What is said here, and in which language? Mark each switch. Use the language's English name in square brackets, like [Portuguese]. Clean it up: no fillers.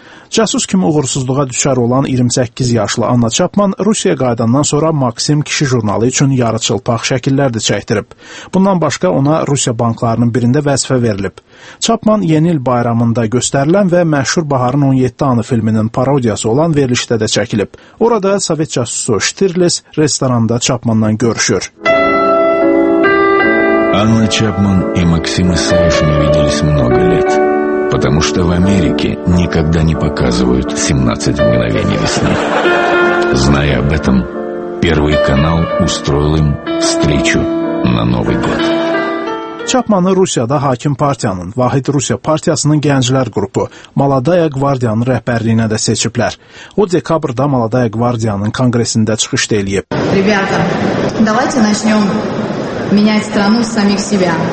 [Azerbaijani] Casus kimi uğursuzluğa düşər olan 28 yaşlı Anna Chapman Rusiyaya qayıdandan sonra Maxim kişi jurnalı üçün yarı çılpaq şəkillər də çəkdirib. Bundan başqa ona Rusiya banklarının birində vəzifə verilib. Chapman Yeni İl bayramında göstərilən və məşhur Baharın 17 anı filminin parodiyası olan verilişdə də çəkilib. Orada Sovet casusu Shtirlis restoranda Chapmandan görüşür. [Russian] Anna Chapman и Максим Исаевичем виделись много лет. Потому что в Америке никогда не показывают 17 мгновений весны. Зная об этом, Первый канал устроил им встречу на Новый год. [Azerbaijani] Çapmanı Rusiyada hakim partiyanın, Vahid Rusiya partiyasının gənclər qrupu, Maladaya Qvardiyanın rəhbərliyinə də seçiblər. O, dekabrda Maladaya Qvardiyanın kongresində çıxış da eləyib. [Russian] Ребята, давайте начнем менять страну с самих себя.